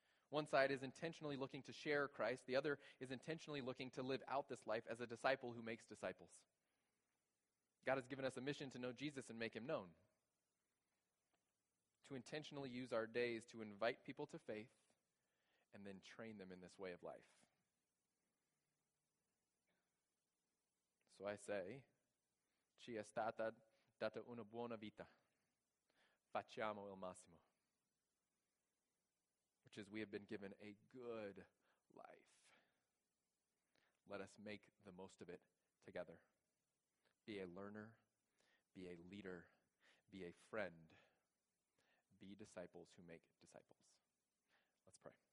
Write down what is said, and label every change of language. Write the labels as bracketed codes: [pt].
[en] One side is intentionally looking to share Christ. The other is intentionally looking to live out this life as a disciple who makes disciples. God has given us a mission to know Jesus and make him known, to intentionally use our days to invite people to faith and then train them in this way of life. So I say, [it] ci è stata data una buona vita. Facciamo il massimo. [en] Which is, we have been given a good life. Let us make the most of it together. Be a learner. Be a leader. Be a friend. Be disciples who make disciples. Let's pray.